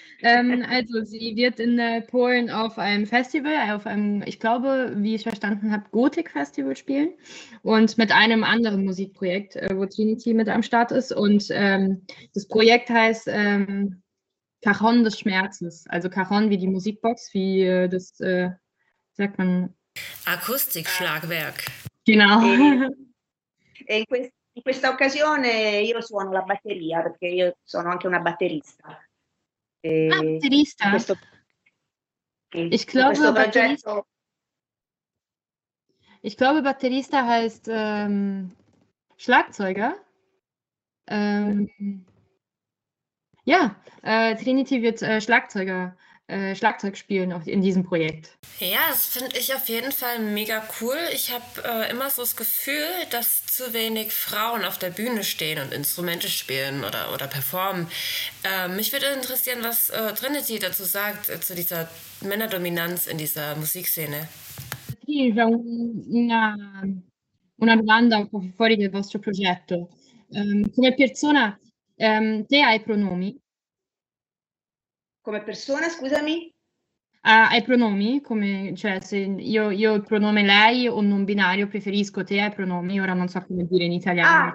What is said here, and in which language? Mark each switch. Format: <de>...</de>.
<de>Also sie wird in Polen auf einem Festival, auf einem, ich glaube, wie ich verstanden habe, Gothic-Festival spielen und mit einem anderen Musikprojekt, wo Trinity mit am Start ist. Und das Projekt heißt Cajon des Schmerzes, also Cajon wie die Musikbox, wie das, sagt man? Akustikschlagwerk. Genau.</de> <it>E in questa occasione io suono la batteria, perché io sono anche una batterista. Batterista?</it> <de>Ich glaube, Batterista heißt Schlagzeuger. Ja, Trinity wird Schlagzeug spielen in diesem Projekt. Ja, das finde ich auf jeden Fall mega cool. Ich habe immer so das Gefühl, dass zu wenig Frauen auf der Bühne stehen und Instrumente spielen oder performen. Mich würde interessieren, was Trinity dazu sagt, zu dieser Männerdominanz in dieser Musikszene.</de> <it>Una domanda un po' fuori del vostro progetto. Come persona, te hai pronomi? Come persona, scusami? Hai pronomi? Come, cioè, se io il pronome lei o non binario, preferisco te ai pronomi, ora non so come dire in italiano.</it>